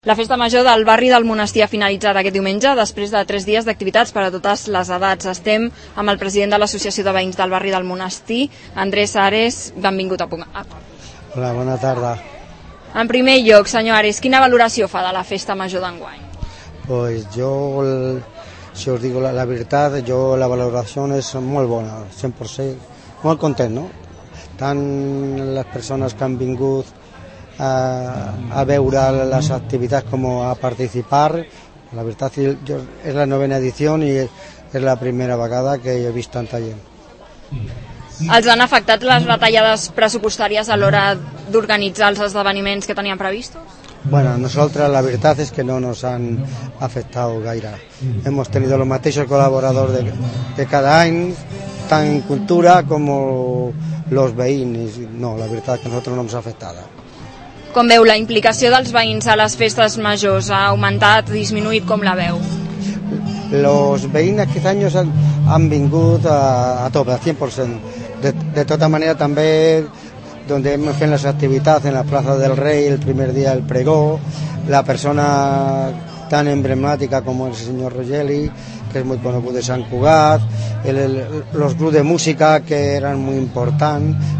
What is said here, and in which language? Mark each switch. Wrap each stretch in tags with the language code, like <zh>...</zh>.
<ca>La festa major del barri del Monestir ha finalitzat aquest diumenge després de 3 dies d'activitats per a totes les edats. Estem amb el president de l'Associació de Veïns del Barri del Monestir, Andrés Ares. Benvingut a Punt. Hola, bona tarda. En primer lloc, senyor Ares, quina valoració fa de la festa major d'enguany?</ca> <es>Pues yo, si os digo la verdad, yo la valoración es muy buena, 100%.</es> <ca>Molt content, no? Tant les persones que han vingut a veure les activitats com a participar. La veritat és la novena edició i és la primera vegada que he vist tanta gent. Els han afectat les retallades pressupostàries a l'hora d'organitzar els esdeveniments que tenien previstos?</ca> <es>Bueno, nosotros la verdad es que no nos han afectado</es> <ca>gaire.</ca> <es>Hemos tenido los</es> <ca>mateixos</ca> <es>colaboradores de</es> <ca>cada any, tant en cultura</ca> <es>como los veïns. No, la verdad es que nosotros no nos ha afectado.</es> <ca>Com veu la implicació dels veïns a les festes majors? Ha augmentat, disminuït? Com la veu?</ca> <es>Los</es> <ca>veïns aquests anys han vingut a tope, a 100%. De tota manera, també,</ca> <es>donde hemos</es> <ca>fet les activitats en la plaça del rei, el primer dia del pregó, la persona tan emblemàtica com el senyor Rogeli, que és molt conegut de Sant Cugat, los clubs de música, que eren molt importants.</ca>